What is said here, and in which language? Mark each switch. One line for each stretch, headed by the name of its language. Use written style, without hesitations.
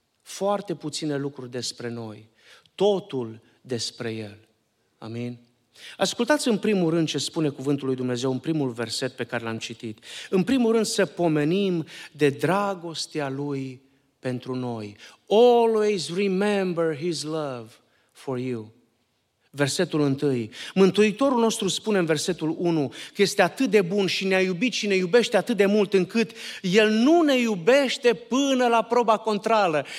Romanian: Foarte puține lucruri despre noi, totul despre El. Amin? Ascultați în primul rând ce spune cuvântul lui Dumnezeu în primul verset pe care l-am citit. În primul rând să pomenim de dragostea Lui pentru noi.
English: Always remember His love for you.
Romanian: Versetul 1. Mântuitorul nostru spune în versetul 1 că este atât de bun și ne-a iubit și ne iubește atât de mult încât El nu ne iubește până la proba contrară.